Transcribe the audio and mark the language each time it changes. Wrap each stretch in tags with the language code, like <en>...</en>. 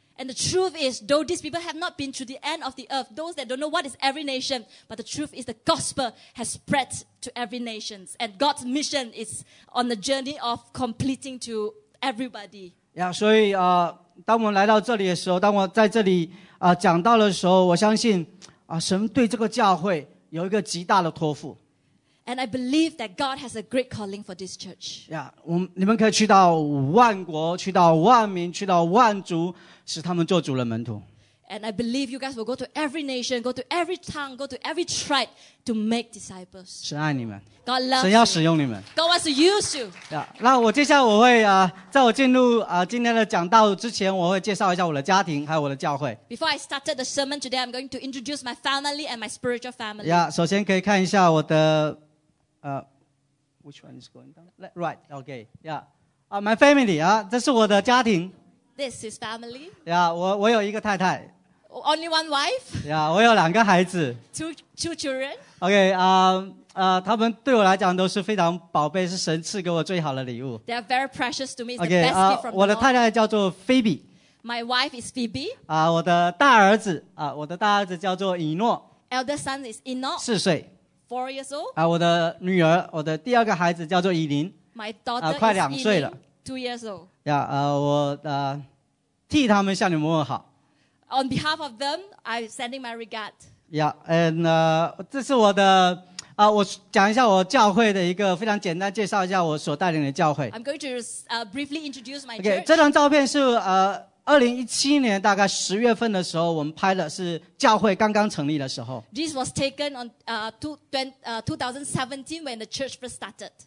<en>And the truth is, though these people have not been to the end of the earth, those that don't know what is every nation, but the truth is the gospel has spread to every nation, and God's mission is on the journey of completing to everybody.</en> <zh>Yeah, 所以当我们来到这里的时候，当我在这里讲到的时候，我相信神对这个教会有一个极大的托付。</zh> <en>And I believe that God has a great calling for this church.</en> <zh>Yeah, 你们可以去到万国，去到万民，去到万族，使他们做主的门徒。</zh> <en>And I believe you guys will go to every nation, go to every tongue, go to every tribe to make disciples.</en> <zh>神爱你们。</zh> <en>God loves you.</en> <zh>神要使用你们。</zh> <en>God wants to use you.</en> <zh>Yeah, 那我接下来我会在我进入今天的讲道之前，我会介绍一下我的家庭还有我的教会。</zh> <en>Before I started the sermon today, I'm going to introduce my family and my spiritual family. Yeah,</en> <zh>首先可以看一下我的</zh> <en>which one is going down? Right, okay. Yeah, my family,</en> <zh>这是我的家庭。</zh> <en>This is family.</en> <zh>Yeah, 我有一个太太。</zh> <en>Only one wife.</en> <zh>Yeah, 我有两个孩子。</zh> <en>Two children.</en> <zh>Okay, 他们对我来讲都是非常宝贝，是神赐给我最好的礼物。</zh> <en>They are very precious to me. It's the best gift from God.</en> <zh>我的太太叫做 Phoebe.</zh> <en>My wife is Phoebe.</en> <zh>我的大儿子叫做以诺。</zh> <en>Elder son is Eno.</en> <zh>四岁。</zh> <en>Four years old.</en> <zh>我的女儿，我的第二个孩子叫做以琳。</zh> <en>My daughter is</en> <zh>快两岁了。</zh> <en>2 years old.</en> <zh>Yeah, 我替他们向你们问好。</zh> <en>On behalf of them, I'm sending my regard.</en> <zh>Yeah, and 这是我的啊，我讲一下我教会的一个非常简单介绍一下我所带领的教会。</zh> <en>I'm going to briefly introduce my church.</en> <zh>Okay, 这张照片是2017年大概十月份的时候我们拍的，是教会刚刚成立的时候。</zh> <en>This was taken on 2017 when the church first started.</en>